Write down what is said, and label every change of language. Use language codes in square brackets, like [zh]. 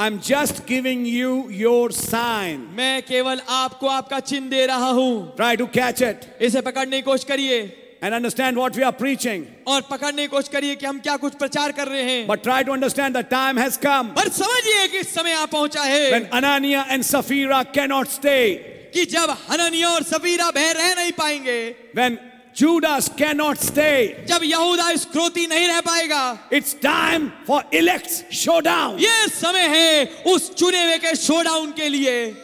[en] I'm just giving you your sign. [hi] मैं केवल आपको आपका चिन्ह दे रहा हूँ. [en] Try to catch it. [hi] इसे पकड़ने की कोशिश करिए. [en] And understand what we are preaching. [hi] और पकड़ने की कोशिश करिए कि हम क्या कुछ प्रचार कर रहे हैं. [en] But try to understand the time has come. [hi] पर समझिए कि समय आ पहुंचा है. [en] When Anania and Sapphira cannot stay. [hi] कि जब हनन्याह और सफीरा बह रह नहीं पाएंगे. [en] When Judas cannot stay, [hi] जब यहूदा इस क्रोधी नहीं रह पाएगा. [en] It's time for elect showdown. [hi] ये समय है उस चुने हुए के शोडाउन के लिए.